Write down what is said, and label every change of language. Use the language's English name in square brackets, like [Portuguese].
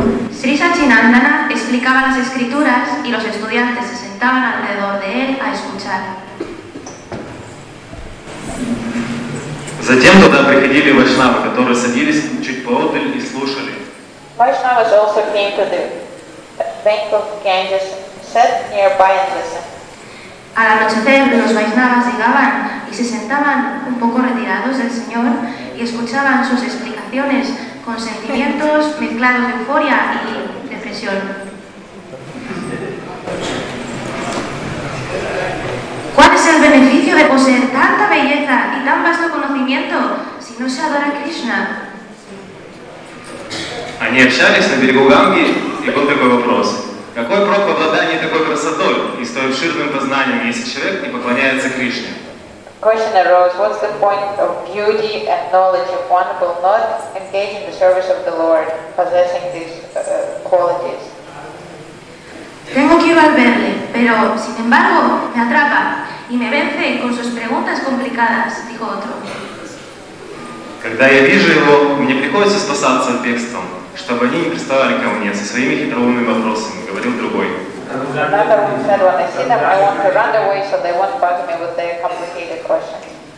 [Spanish] Sri Sachinandana explicaba las escrituras y los estudiantes se sentaban alrededor de él a escuchar. [Russian] Затем туда приходили вайшнавы, которые садились чуть поодаль и слушали. [English] Vaishnavas also came to the bank of Ganges, sat nearby and listened. [Spanish] Al anochecer, los vaishnavas llegaban y se sentaban un poco retirados del Señor y escuchaban sus explicaciones con sentimientos mezclados de euforia y depresión. ¿Cuál es el beneficio de poseer tanta belleza y tan vasto conocimiento si no se adora a Krishna? [Russian] Они общались на берегу Ганги, и был такой вопрос. Какой прок в обладании такой красотой и столь обширным познанием, если человек не поклоняется Кришне? [English] Question arose, what's the point of beauty and knowledge if one will not engage in the service of the Lord, possessing these qualities? [Spanish] Tengo que ir a verle, pero, sin embargo, me atrapa y me vence con sus preguntas complicadas, dijo otro. [Russian] Когда я вижу его, мне приходится спасаться от бегством. чтобы они не приставали ко мне со своими хитроумными вопросами, говорил другой. [English] Another said, when I see them, I want to run away so they won't bug me with their complicated questions.